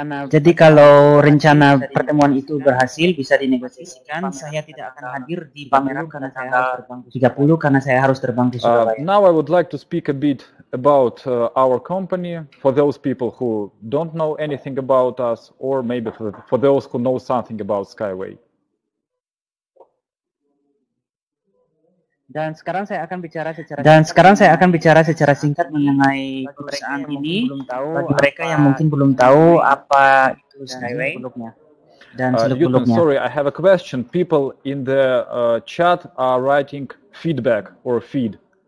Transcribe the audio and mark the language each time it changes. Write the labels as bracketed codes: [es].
[id] Jadi kalau rencana pertemuan itu berhasil bisa dinegosiasikan, saya tidak akan hadir di pameran karena saya harus terbang ke 30 karena saya harus terbang ke Surabaya. [en] Now I would like to speak a bit about our company for those people who don't know anything about us or maybe for those who know something about Skyway. [id] Dan sekarang saya akan bicara secara singkat mengenai perusahaan ini bagi mereka yang mungkin belum tahu apa itu Skyway dan seluk-beluknya. [en] Sorry, I have a question. People in the chat are writing feedback or feed.